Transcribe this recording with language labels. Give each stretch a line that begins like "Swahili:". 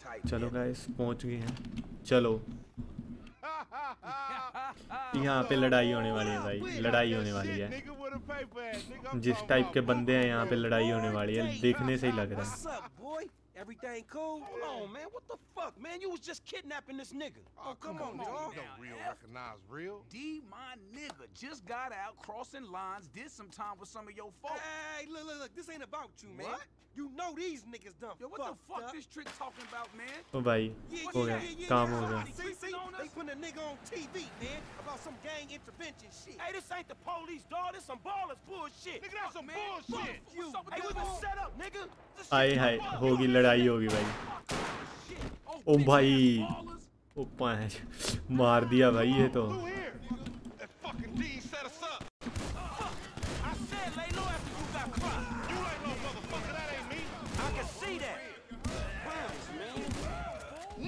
Hindi: चलो गाइस पहुंच गए हैं। चलो यहाँ पे लड़ाई होने वाली है भाई, लड़ाई होने वाली है। जिस टाइप के बंदे हैं यहाँ पे लड़ाई होने वाली है, देखने से ही लग रहा है।
English: Everything cool? Hold on, man. What the fuck, man? You was just kidnapping this nigga. Oh, come on, dog. Don't real recognize real. D, my nigga, just got out crossing lines, did some time with some of your folks. Hey, look, this ain't about you, man. What? You know these niggas dumb. Yo, what the fuck up? This trick talking about, man? Oh, boy. Yeah. They put a nigga on TV, man, about some gang intervention shit. Hey, this ain't the police, dog. This some ballers bullshit. Nigga, that's some bullshit. Fuck you. Hey, what's the setup, nigga?
Hindi: आए हाय होगी लड़ाई होगी भाई। ओ भाई ओ पांच मार दिया भाई ये तो।
English: Hey,